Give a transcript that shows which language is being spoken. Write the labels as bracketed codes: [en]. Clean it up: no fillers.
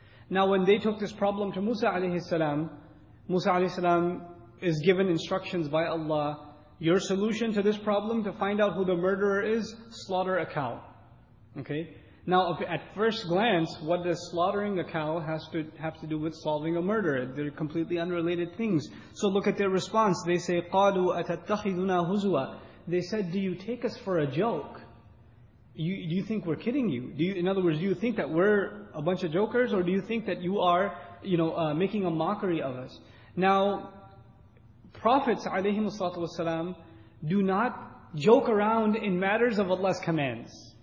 [en] Now when they took this problem to Musa alayhi salam, Musa alayhi salam is given instructions by Allah, your solution to this problem, to find out who the murderer is, slaughter a cow. Okay? Now, at first glance, what does slaughtering a cow have to do with solving a murder? They're completely unrelated things. So look at their response. They say, [ar] قَالُوا أَتَتَّخِذُنَا هُزُوَا. [en] They said, do you take us for a joke? Do you think we're kidding you? Do you think that we're a bunch of jokers, or do you think that you are, you know, making a mockery of us? Now, Prophets, alayhim as-salatu wasalam, do not joke around in matters of Allah's commands.